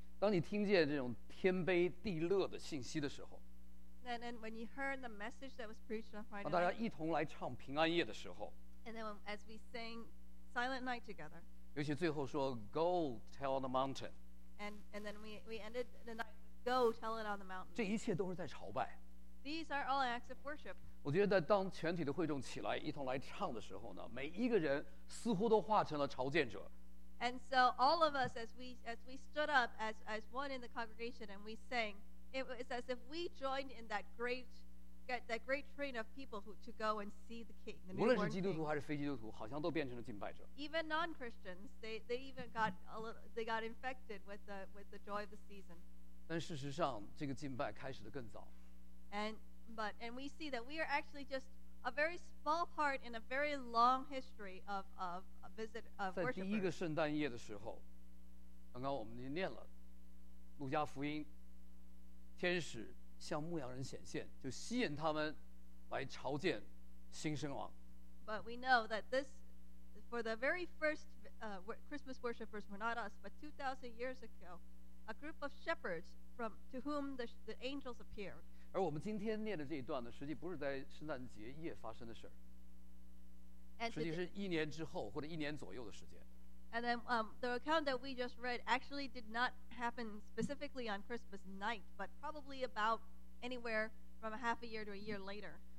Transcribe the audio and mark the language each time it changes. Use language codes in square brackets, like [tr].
[zh] 当你听见这种天卑地乐的信息的时候, [en] and when you heard the message that was preached on Friday, [zh] 当大家一同来唱平安夜的时候, [en] and then as we sang Silent Night together, [zh] 尤其最后说, [en] go tell the mountain. And then we ended the night with go tell it on the mountain. [zh] 这一切都是在朝拜。 [en] These are all acts of worship. [zh] 我觉得当全体的会众起来一同来唱的时候呢, 每一个人似乎都化成了朝见者。 [en] And so all of us as we stood up as one in the congregation and we sang, it was as if we joined in that great train of people to go and see the king, the newborn king. [zh] 无论是基督徒还是非基督徒, 好像都变成了敬拜者。 [en] Even non-Christians, they even got a little, they got infected with the joy of the season. [zh] 但事实上这个敬拜开始得更早。 [en] And we see that we are actually just a very small part in a very long history of a visit of worshipers. [zh] 在第一个圣诞夜的时候, 刚刚我们念了, 路加福音, 天使, 向牧羊人显现，就吸引他们来朝见新生王。 [en] But we know that this, for the very first Christmas worshippers were not us, but 2,000 years ago, a group of shepherds to whom the angels appeared. [zh] 而我们今天念的这一段呢，实际不是在圣诞节夜发生的事儿， 实际是一年之后或者一年左右的时间。 [en] And then the account that we just read actually did not happen specifically on Christmas night, but probably about anywhere from a half a year to a year later.